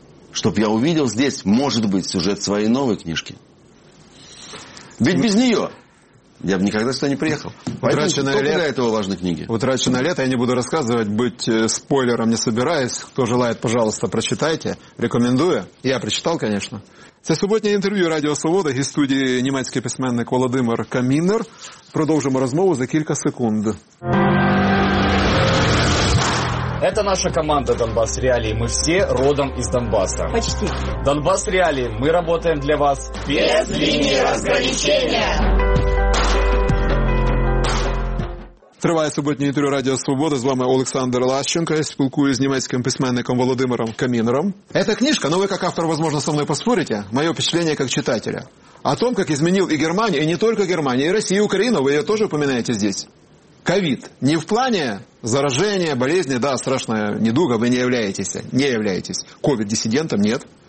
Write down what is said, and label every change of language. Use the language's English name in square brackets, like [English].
[Russian] Чтобы я увидел здесь, может быть, сюжет своей новой книжки. Ведь без нее я бы никогда сюда не приехал. Утраченное лето. Для этого важной книги. Утраченное лето. Я не буду рассказывать, быть спойлером не собираюсь. Кто желает, пожалуйста, прочитайте. Рекомендую. Я прочитал, конечно. [Ukrainian] Це суботнє інтерв'ю Радіо Свобода із студії німецький письменник Володимир Камінер. Продовжимо розмову за кілька секунд. [Russian] Это наша команда «Донбасс Реалии». Мы все родом из Донбасса. Почти. «Донбасс Реалии». Мы работаем для вас. Без линии разграничения. [Ukrainian] Триває суботнє інтерв'ю Радіо Свобода. З вами Олександр Лащенко. Я спілкуюсь з німецьким письменником Володимиром Камінером. [Russian] Эта книжка, ну вы как автор, возможно, со мной поспорите, мое впечатление как читателя. О том, как изменил и Германию, и не только Германию, и Россию, и Украину, вы ее тоже упоминаете здесь. Ковид. Не в плане заражения, болезни, да, страшная недуга, вы не являетесь ковид-диссидентом, нет.